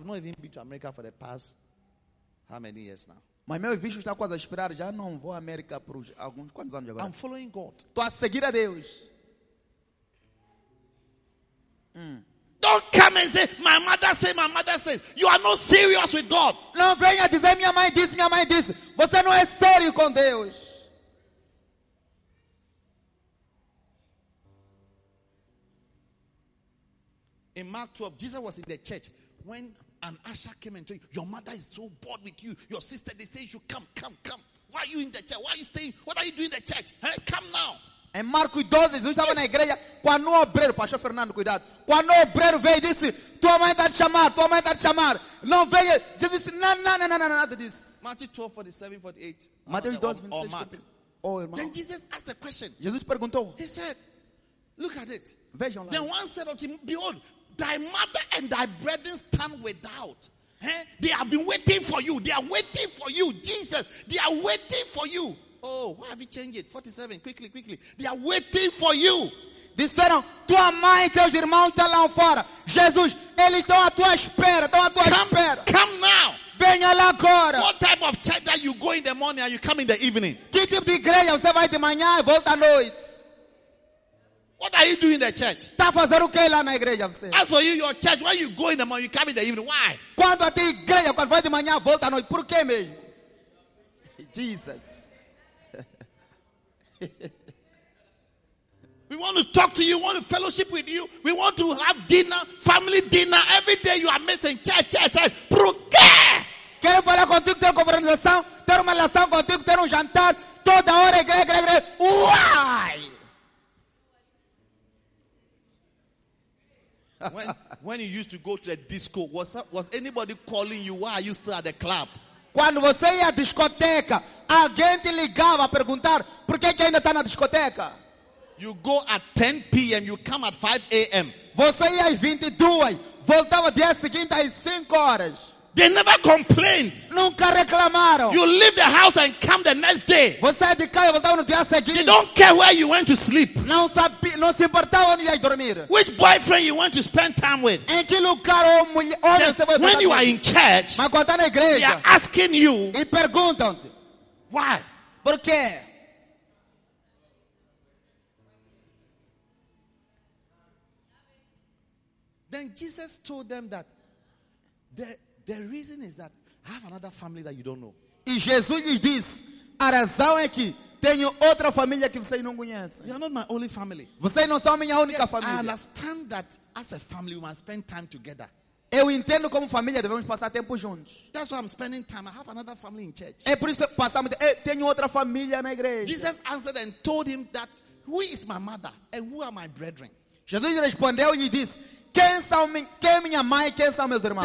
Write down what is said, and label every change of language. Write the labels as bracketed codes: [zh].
[en] I've not even been to America for the past how many years now? [pt] Mas meu visto está quase a expirar. Já não vou à América por alguns quantos anos agora. [en] I'm following God. [pt] Estou a seguir a Deus. [en] Don't come and say, my mother says, my mother says. You are not serious with God. [pt] Não venha dizer, minha mãe diz. Você não é sério com Deus. [en] In Mark 12, Jesus was in the church when an usher came and told you, your mother is so bored with you. Your sister, they say, you come, come, come. Why are you in the church? Why are you staying? What are you doing in the church? Hey, come now. [pt] Em Marcos 12, Jesus estava na igreja quando o obreiro, pastor Fernando, cuidado. Quando o obreiro veio e disse, tua mãe está te chamar, tua mãe está te chamar. Não veio. Jesus disse, não, nada disso. [en] Matthew 12, 47, 48. Matthew 12, 47. [pt] Oh, irmão. [en] Then Jesus asked a question. [pt] Jesus perguntou. [en] He said, look at it. [pt] Vejam lá. [en] Then one said unto him, behold, thy mother and thy brethren stand without. Eh? They have been waiting for you. They are waiting for you, Jesus. They are waiting for you. Oh, why have you changed it? 47, quickly, quickly. They are waiting for you. [pt] Disseram, tua mãe e teus irmãos estão lá fora. Jesus, eles estão à tua espera. Estão à tua espera. [en] Come now. [pt] Venha lá agora. [en] What type of church that you go in the morning and you come in the evening? [pt] Que tipo de igreja você vai de manhã e volta à noite? [en] What are you doing in the church? [pt] Está fazendo o que lá na igreja você? [en] As for you, your church, when you go in the morning, you come in the evening. Why? [pt] Quando a tua igreja, quando vai de manhã e volta à noite, por que mesmo? [en] Jesus. We want to talk to you, we want to fellowship with you, we want to have dinner, family dinner, every day you are missing church. [pt] Por quê? Quero falar contigo, ter uma conversação, ter uma relação contigo, ter um jantar, toda hora, igreja. [en] Why? When you used to go to the disco, was anybody calling you? Why are you still at the club? [pt] Quando você ia à discoteca, alguém te ligava a perguntar: por que ainda está na discoteca? [en] You go at 10 p.m., you come at 5 a.m. [pt] Você ia às 22, voltava dia seguinte às 5 horas. [en] They never complained. [pt] Nunca reclamaram. [en] You leave the house and come the next day. [pt] Você é de casa, voltava no dia seguinte. [en] They don't care where you went to sleep. [pt] Não sabe, não se importava onde ia dormir. [en] Which boyfriend you went to spend time with. [pt] Em que lugar ou mulher, onde você foi. [en] When you are in church, [pt] mas quando está na igreja, [en] they are asking you, [pt] e perguntam-te, [en] why? [pt] Por quê? [en] Then Jesus told them that the reason is that I have another family that you don't know. [pt] E Jesus lhes disse, a razão é que tenho outra família que vocês não conhecem. [en] You are not my only family. [pt] Vocês não são minha única família. [en] I understand that as a family we must spend time together. [pt] Eu entendo como família devemos passar tempo juntos. [en] That's why I'm spending time. I have another family in church. [pt] É por isso que passamos tempo. Tenho outra família na igreja. [en] Jesus answered and told him that who is my mother and who are my brethren? [pt] Jesus respondeu e disse, quem são quem minha mãe, quem são meus irmãos?